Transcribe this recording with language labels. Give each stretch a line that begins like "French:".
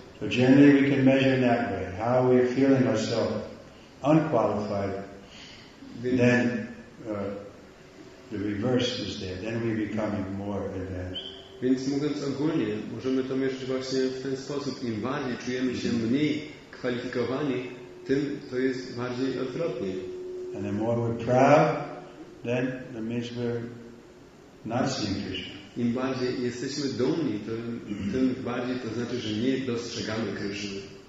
English: So generally we can measure in that way, how we are feeling ourselves unqualified, then the reverse is there, then we become more advanced.
Polish: Więc mówiąc ogólnie, możemy to mierzyć właśnie w ten sposób, im bardziej czujemy się mniej kwalifikowani, tym to jest bardziej odwrotnie.
English: And the more we're proud, then that means we're not seeing Krishna.
Polish: Im bardziej jesteśmy dumni, tym bardziej to znaczy, że nie dostrzegamy Krishny.